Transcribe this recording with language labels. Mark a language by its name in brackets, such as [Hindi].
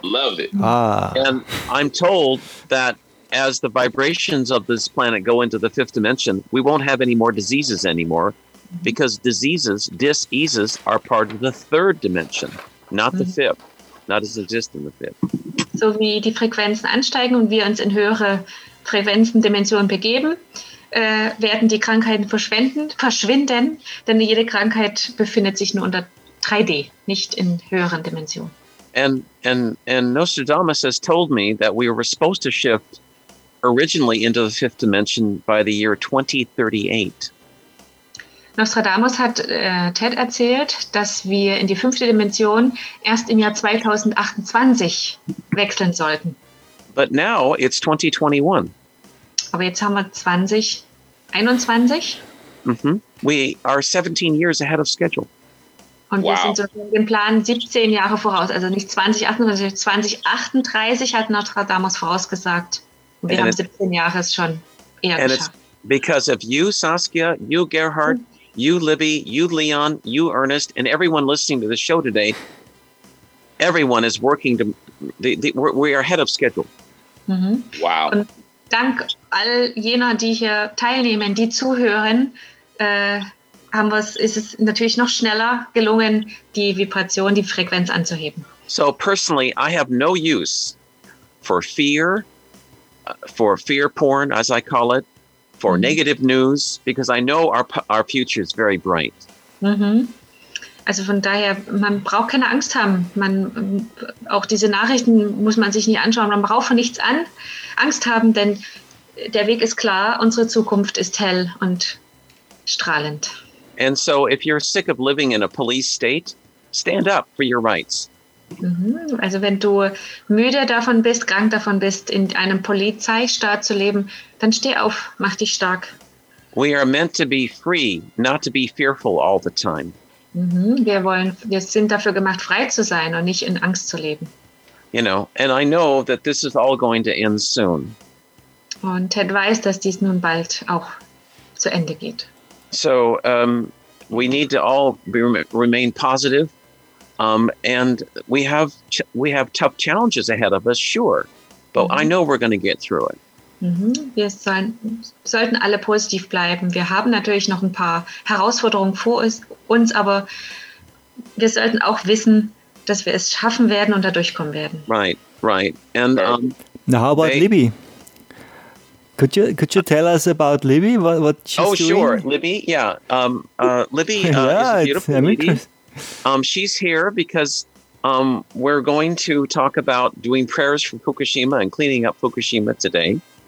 [English] Love it. Ah. And I'm told that as the vibrations of this planet go into the fifth dimension, we won't have any more diseases anymore, because diseases are part of the third dimension, not the fifth. Not as exist in the fifth. [German] So wie die Frequenzen ansteigen und wir uns in höhere Frequenzendimensionen begeben, werden die Krankheiten verschwinden, denn jede Krankheit befindet sich nur unter 3D, nicht in höheren Dimensionen. [English] And Nostradamus has told me that we were supposed to shift originally into the fifth dimension by the year 2038. [German] Nostradamus hat Ted erzählt, dass wir in die fünfte Dimension erst im Jahr 2028 wechseln sollten. [English] But now it's 2021. [German] Aber jetzt haben wir 2021. Mm-hmm. [English] We are 17 years ahead of schedule. [German] Und wir sind so im Plan 17 Jahre voraus, also nicht 2038 hat Nostradamus vorausgesagt. Und wir haben 17 Jahre schon eher geschafft. [English] It's because of you, Saskia, you, Gerhard, you, Libby, you, Leon, you, Ernest, and everyone listening to the show today, everyone is working to, we are ahead of schedule. Mm-hmm. Wow. [German] Und dank all jener, die hier teilnehmen, die zuhören, ist es natürlich noch schneller gelungen, die Vibration, die Frequenz anzuheben. [English] So personally, I have no use for fear porn, as I call it, for negative news, because I know our future is very bright. Mm-hmm. [German] Also von daher, man braucht keine Angst haben. Man, auch diese Nachrichten muss man sich nicht anschauen. Man braucht von nichts an Angst haben, denn der Weg ist klar. Unsere Zukunft ist hell und strahlend. [English] And so if you're sick of living in a police state, stand up for your rights. [German] Also wenn du müde davon bist, krank davon bist, in einem Polizeistaat zu leben, dann steh auf, mach dich stark. [English] We are meant to be free, not to be fearful all the time. [German] Wir sind dafür gemacht, frei zu sein und nicht in Angst zu leben. [English] You know, and I know that this is all going to end soon. [German] Und Ted weiß, dass dies nun bald auch zu Ende geht. [English] So we need to all remain positive, and we have tough challenges ahead of us, sure, but I know we're going to get through it. [German] Wir sollten alle positiv bleiben. Wir haben natürlich noch ein paar Herausforderungen vor uns, aber wir sollten auch wissen, dass wir es schaffen werden und da durchkommen werden. [English] Right. And now how about Libby? Could you tell us about Libby? What she's doing? Oh, sure, Libby. Yeah, Libby is a beautiful lady. She's here because we're going to talk about doing prayers for Fukushima and cleaning up Fukushima today.